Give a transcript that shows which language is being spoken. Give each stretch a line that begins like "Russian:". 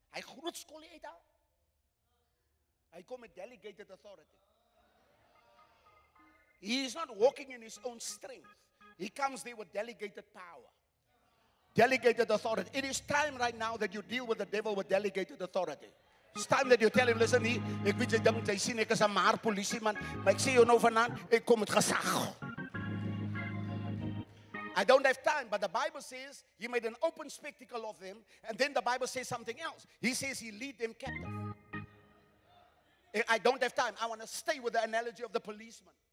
Afrikaans: Hy groot skool uit daar. Hy kom met
English: delegated authority. He is not walking in his own strength. He comes there with delegated power. Delegated authority. It is time right now that you deal with the devil with delegated authority. It's time that you tell him, listen,
Afrikaans: ek weet jy dink jy sien ek is 'n maar polisieman, maar ek sê jou nou vanaand, ek kom met gesag.
English: I don't have time, but the Bible says he made an open spectacle of them, and then the Bible says something else. He says he lead them captive. I don't have time. I want to stay with the analogy of the policeman.